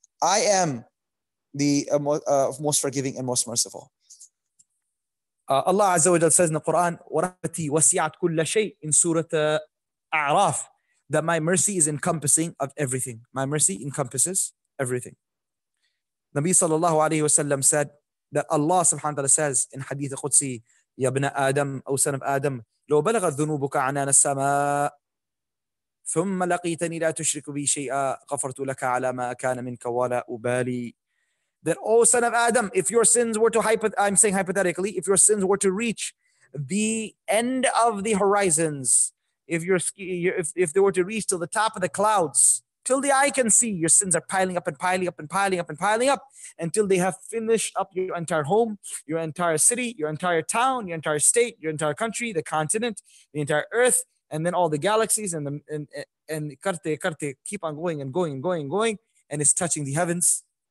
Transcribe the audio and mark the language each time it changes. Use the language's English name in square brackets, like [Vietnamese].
[English] I am the most forgiving and most merciful. Allah Azza wa Jalla says in the Quran, [Arabic] وَرَحْمَتِي وَسِعَتْ كُلَّ شَيْءٍ [English] in Surah A'raf, that my mercy is encompassing of everything. My mercy encompasses everything. [Arabic] Nabi sallallahu alayhi wa sallam said that Allah subhanahu wa ta'ala says in Hadith Qudsi, يَا بْنَ آدَمْ أَوْ سَنَبْ آدَمْ لَوْ بَلَغَ الذُّنُوبُكَ عَنَانَ السَّمَاءِ ثم لقيتني لا تشرك بي شيئا غفرت لك على ما كان منك ولا أبالي. [English] That, O son of Adam, if your sins were to, I'm saying hypothetically, if your sins were to reach the end of the horizons, if they were to reach till the top of the clouds, till the eye can see, your sins are piling up and piling up and piling up and piling up until they have finished up your entire home, your entire city, your entire town, your entire state, your entire country, the continent, the entire earth, and then all the galaxies and karte keep on going and going and going and going, and it's touching the heavens.